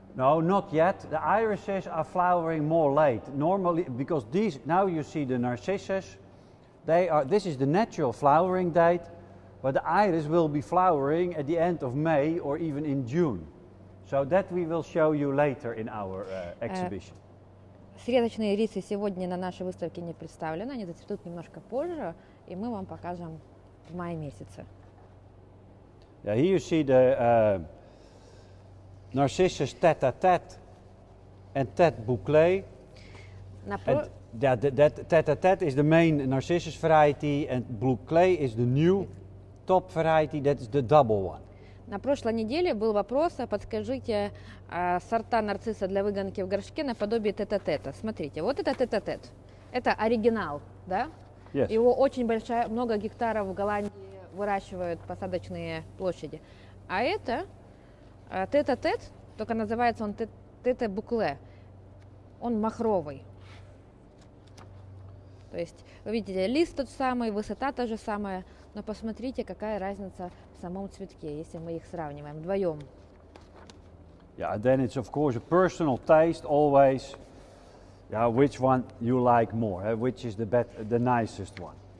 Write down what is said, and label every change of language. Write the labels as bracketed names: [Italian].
[English] No, not yet. The irises are flowering more late. Normally, because these, now you see the narcissus, this is the natural flowering date, but the iris will be flowering at the end of May or even in June. So that we will show you later in our exhibition. [Russian] Срезочные ирисы сегодня на нашей выставке не представлены, они зацветут немножко позже, и мы вам покажем в мае месяце. [English] Yeah, here you see the Narcissus tête-à-tête and tête bouclé. Tête-à-tête is the main Narcissus variety, and bouclé is the new top variety, that is the double one. [Russian] На прошлой неделе был вопрос, подскажите сорта нарцисса для выгонки в горшке наподобие тета-тета. Смотрите, вот это тета-тет. Это оригинал, да? [English] Yes. [Russian] Его очень большая, много гектаров в Голландии выращивают посадочные площади. А это тета-тет, только называется он тета-букле. Он махровый. То есть, вы видите, лист тот самый, высота та же самая. Но посмотрите, какая разница в самом цветке, если мы их сравниваем вдвоем. [English] Yeah, then it's of course a personal taste always. Yeah, which one you like more? Which is the nicest one?